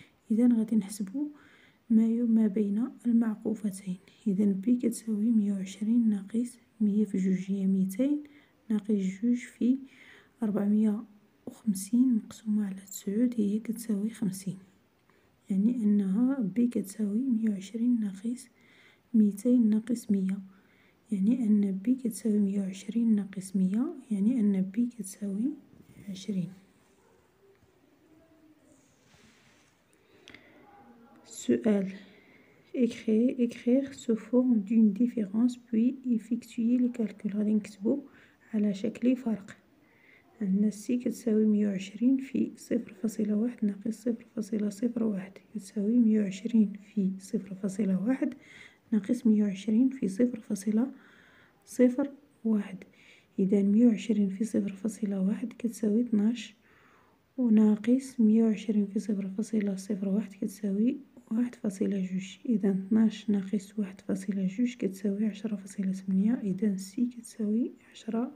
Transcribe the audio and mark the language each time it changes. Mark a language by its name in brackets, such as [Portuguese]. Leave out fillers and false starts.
[Arabic] إذا غادي نحسبو ما بين المعقوفتين، إذا بي كتساوي 120 ناقص 100 في 2 هي 200 ناقص 2 في 450 مقسومة على 9 هي كتساوي 50، يعني أنها بي كتساوي 120 ناقص 200 ناقص 100، يعني أن بي كتساوي 120 ناقص 100، يعني أن بي كتساوي 20. [French] سؤال écrire sous forme d'une différence puis effectuer le calcul. [Arabic] غادي نكتبو على شكل فرق. عندنا سي كتساوي 120 في 0.1 ناقص 0.01 كتساوي 120 في 0.1 ناقص 120 في 0.01، إذا 120 في 0.1 كتساوي 12 وناقص 120 في 0.01 كتساوي 1.2، إذا 12 ناقص 1.2 كتساوي 10.8، إذا سي كتساوي 10.8.